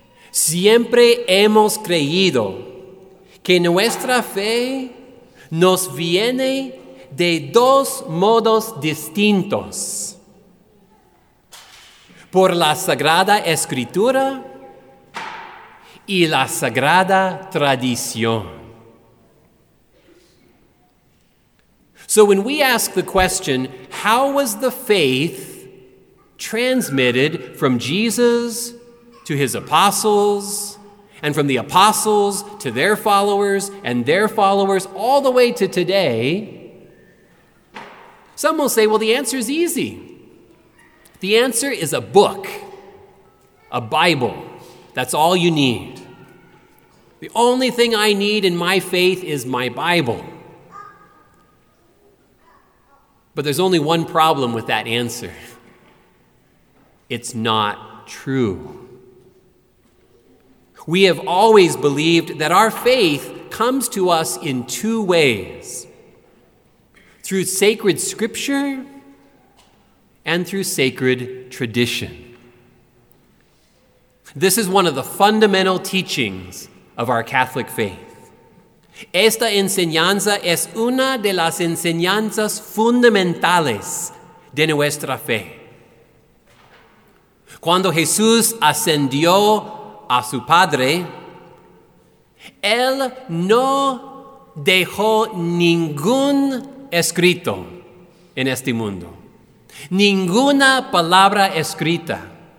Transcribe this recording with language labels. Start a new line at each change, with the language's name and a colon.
Spanish: Siempre hemos creído que nuestra fe nos viene de dos modos distintos: por la Sagrada Escritura y la Sagrada Tradición.
English: So when we ask the question, how was the faith transmitted from Jesus to his apostles, and from the apostles to their followers, and their followers, all the way to today, some will say, well, the answer is easy. The answer is a book, a Bible. That's all you need. The only thing I need in my faith is my Bible. But there's only one problem with that answer. It's not true. We have always believed that our faith comes to us in two ways: through sacred scripture and through sacred tradition. This is one of the fundamental teachings of our Catholic faith.
Spanish: Esta enseñanza es una de las enseñanzas fundamentales de nuestra fe. Cuando Jesús ascendió a su padre, él no dejó ningún escrito en este mundo, ninguna palabra escrita.